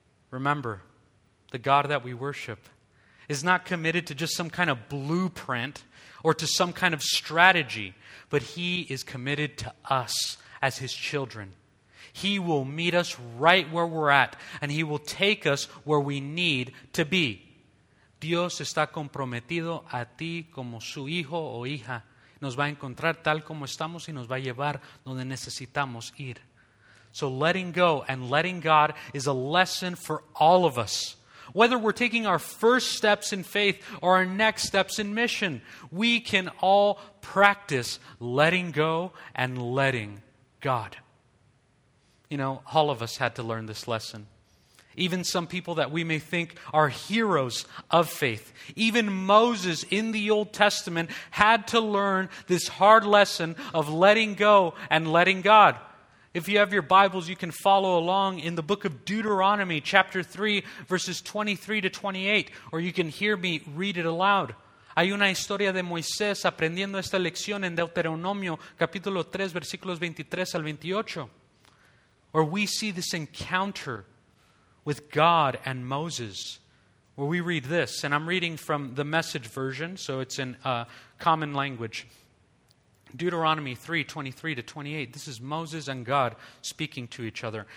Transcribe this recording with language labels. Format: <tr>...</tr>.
<en>Remember, the God that we worship is not committed to just some kind of blueprint or to some kind of strategy, but he is committed to us as his children. He will meet us right where we're at, and he will take us where we need to be.</en> <es>Dios está comprometido a ti como su hijo o hija. Nos va a encontrar tal como estamos y nos va a llevar donde necesitamos ir.</es> <en>So letting go and letting God is a lesson for all of us. Whether we're taking our first steps in faith or our next steps in mission, we can all practice letting go and letting God. You know, all of us had to learn this lesson. Even some people that we may think are heroes of faith. Even Moses in the Old Testament had to learn this hard lesson of letting go and letting God. If you have your Bibles, you can follow along in the book of Deuteronomy, chapter 3, verses 23 to 28. Or you can hear me read it aloud.</en> <es>Hay una historia de Moisés aprendiendo esta lección en Deuteronomio, capítulo 3, versículos 23 al 28.</es> <en>Or we see this encounter with God and Moses, where we read this, and I'm reading from the Message version, so it's in common language. Deuteronomy 3, 23 to 28. This is Moses and God speaking to each other.</en>